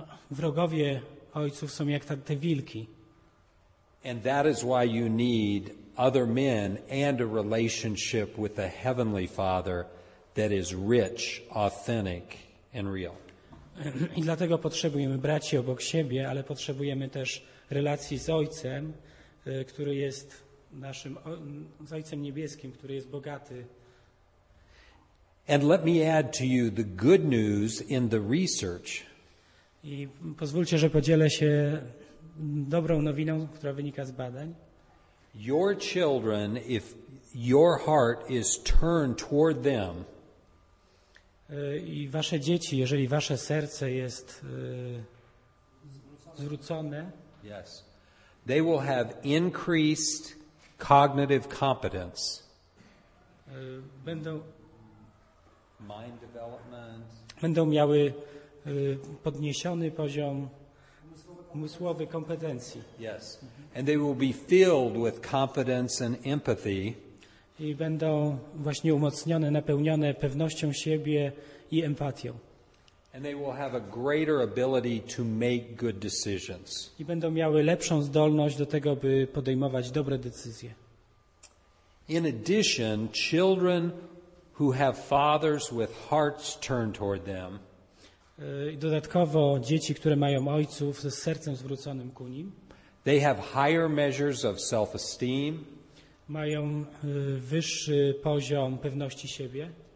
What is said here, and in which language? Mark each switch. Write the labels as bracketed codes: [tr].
[pl] Wrogowie ojców są jak te wilki. [en] And that is why you need other men and a relationship with the heavenly father that is rich, authentic and real. [pl] I dlatego potrzebujemy braci obok siebie, ale potrzebujemy też relacji z Ojcem, który jest naszym z Ojcem niebieskim, który jest bogaty. [en] And let me add to you the good news in the research. [pl] I pozwólcie, że podzielę się dobrą nowiną, która wynika z badań. [en] Your children, if your heart is turned toward them, [pl] i wasze dzieci, jeżeli wasze serce jest zwrócone, [en] yes, they will have increased cognitive competence. [pl] Będą [en] mind development. [pl] Będą miały podniesiony poziom umysłowy kompetencji. [en] Yes. And they will be filled with confidence and empathy. [pl] I będą właśnie umocnione, napełnione pewnością siebie i empatią. [en] And they will have a greater ability to make good decisions. [pl] I będą miały lepszą zdolność do tego, by podejmować dobre decyzje. [en] In addition, children who have fathers with hearts turned toward them. [pl] I dodatkowo dzieci, które mają ojców ze sercem zwróconym ku nim. [en] They have higher measures of self-esteem. [pl] Mają wyższy poziom pewności siebie.